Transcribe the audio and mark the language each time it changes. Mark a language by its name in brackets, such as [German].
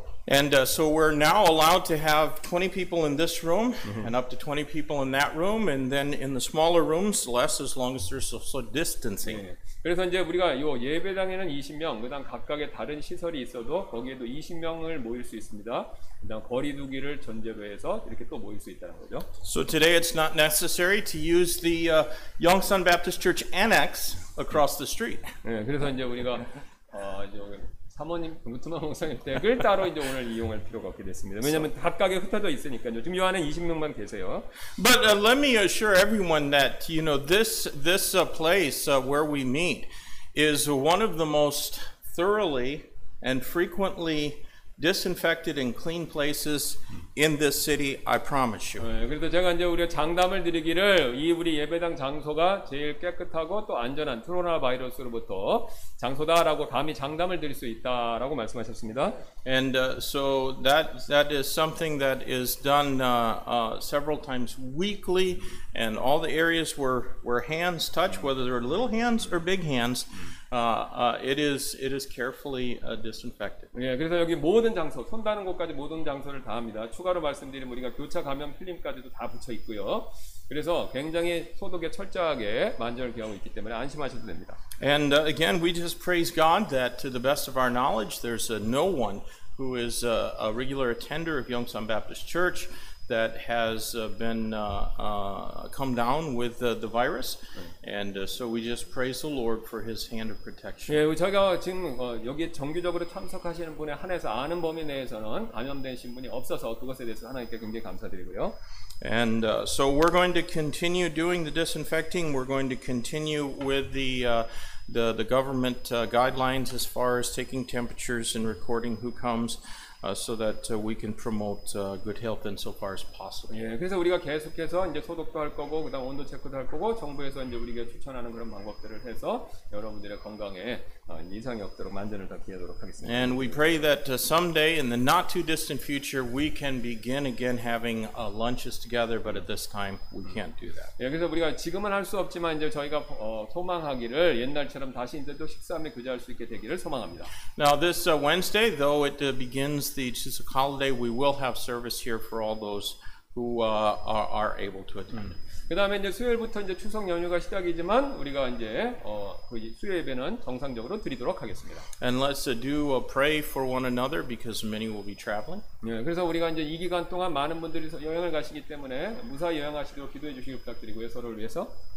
[English] And so we're now allowed to have 20 people in this room and up to 20 people in that room, and then in the smaller rooms less, as long as there's social distancing. [Korean] 그래서 이제 우리가 요 예배당에는 20명, 그다음 각각의 다른 시설이 있어도 거기에도 20명을 모일 수 있습니다. 그다음 거리 두기를 전제로 해서 이렇게 또 모일 수 있다는 거죠. [English] So today it's not necessary to use the Yongsan Baptist Church annex across the street. [Korean] 네, 그래서 이제 우리가 사모님 루트만 목사님 댁을 따로 이제 오늘 이용할 필요가 없게 됐습니다. 왜냐하면 각각에 흩어져 있으니까요. 지금 요한은 20명만 계세요. [English] But let me assure everyone that you know this place where we meet is one of the most thoroughly and frequently disinfected and clean places in this city. I promise you. [Korean] 네, 그래서 제가 이제 우리 장담을 드리기를 이 우리 예배당 장소가 제일 깨끗하고 또 안전한 코로나 바이러스로부터 장소다라고 감히 장담을 드릴 수 있다라고 말씀하셨습니다. [English] And so that is something that is done several times weekly, and all the areas where hands touch, whether they're little hands or big hands. It is carefully disinfected. [Korean] 예, 그래서 여기 모든 장소, 손 닿는 곳까지 모든 장소를 다 합니다. 추가로 말씀드린 우리가 교차 감염 필름까지도 다 붙여 있고요. 그래서 굉장히 소독에 철저하게 만전을 기하고 있기 때문에 안심하셔도 됩니다. [English] And again, we just praise God that to the best of our knowledge, there's no one who is a regular attender of Yongsan Baptist Church that has been come down with the virus, and so we just praise the Lord for His hand of protection. [Korean] 예, 저희가 지금 여기 정기적으로 참석하시는 분의 한해서 아는 범위 내에서는 감염되신 분이 없어서 그것에 대해서 하나님께 굉장히 감사드리고요. [English] And so we're going to continue doing the disinfecting. We're going to continue with the government guidelines as far as taking temperatures and recording who comes. So that we can promote good health in so far as possible. [Korean] 예, 그래서 우리가 계속해서 이제 소독도 할 거고, 그다음 온도 체크도 할 거고, 정부에서 이제 우리가 추천하는 그런 방법들을 해서 여러분들의 건강에 이상이 없도록 만전을 다 기하도록 하겠습니다. [English] And we pray that someday in the not too distant future we can begin again having lunches together, but at this time we can't do that. [Korean] 예, 그래서 우리가 지금은 할 수 없지만 이제 저희가 소망하기를 옛날처럼 다시 이제 또 식사함에 교제할 수 있게 되기를 소망합니다. [English] Now this Wednesday, though it begins the Chuseok holiday, we will have service here for all those who are able to attend. [Korean] 그다음에 이제 수요일부터 이제 추석 연휴가 시작이지만 우리가 이제 그 수요 예배는 정상적으로 드리도록 하겠습니다. [English] And let's do a pray for one another because many will be traveling. [Korean] 네, 그래서 우리가 이제 이 기간 동안 많은 분들이 여행을 가시기 때문에 무사히 여행하시도록 기도해 주시기 부탁드리고요, 서로를 위해서.